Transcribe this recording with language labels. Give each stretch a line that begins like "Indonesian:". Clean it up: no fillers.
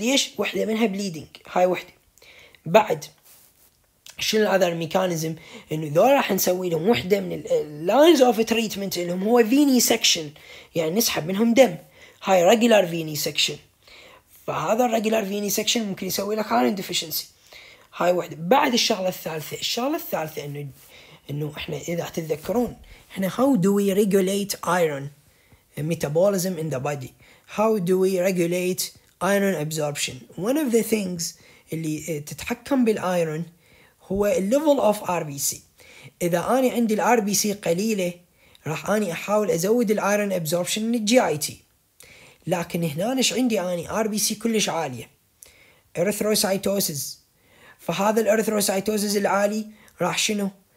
Arabic: ليش؟ وحده منها بليدنج هاي وحده. بعد شنو
English: الاذر ميكانيزم
Arabic: انه ذول راح نسوي لهم وحده من
English: اللاينز of treatment
Arabic: اللي هو فيني سكشن يعني نسحب منهم دم هاي
English: regular venesection
Arabic: فهذا الريجولار فيني سكشن ممكن يسوي لك
English: iron deficiency
Arabic: هاي وحده. بعد الشغله الثالثه انه احنا اذا تتذكرون احنا
English: how do we regulate iron metabolism in the body how do we regulate iron absorption one of the things
Arabic: اللي تتحكم بالايرون هو
English: level of RBC.
Arabic: اذا انا عندي RBC قليلة راح انا احاول ازود iron absorption من GIT لكن هنا نش عندي انا RBC كلش عالية erythrocytosis فهذا erythrocytosis العالي راح شنو